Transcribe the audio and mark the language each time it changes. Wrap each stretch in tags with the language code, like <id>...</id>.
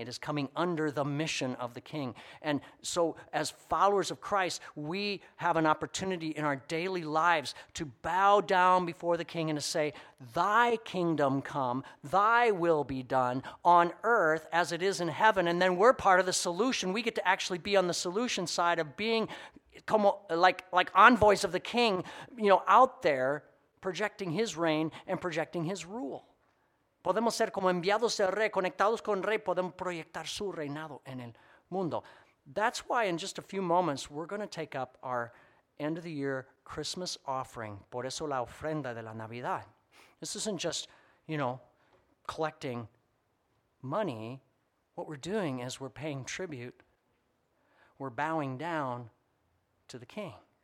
<en>It is coming under the mission of the king. And so as followers of Christ, we have an opportunity in our daily lives to bow down before the king and to say, thy kingdom come, thy will be done on earth as it is in heaven. And then we're part of the solution. We get to actually be on the solution side of being como, like envoys of the king, you know, out there projecting his reign and projecting his rule.</en> <es>Podemos ser como enviados del rey, conectados con el rey, podemos proyectar su reinado en el mundo.</es> <en>That's why in just a few moments, we're going to take up our end of the year Christmas offering.</en> <es>Por eso la ofrenda de la Navidad.</es> <en>This isn't just, you know, collecting money. What we're doing is we're paying tribute. We're bowing down to the king.</en>